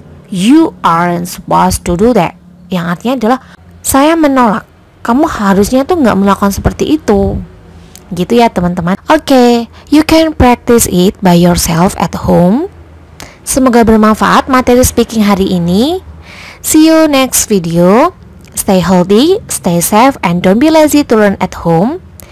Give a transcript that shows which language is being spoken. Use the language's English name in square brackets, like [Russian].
[English] You aren't supposed to do that. [Indonesian] Yang artinya adalah saya menolak. Kamu harusnya tuh enggak melakukan seperti itu. Gitu ya teman-teman. [English] Oke, you can practice it by yourself at home. [Indonesian] Semoga bermanfaat materi speaking hari ini. [English] See you next video. Stay healthy, stay safe, and don't be lazy to learn at home.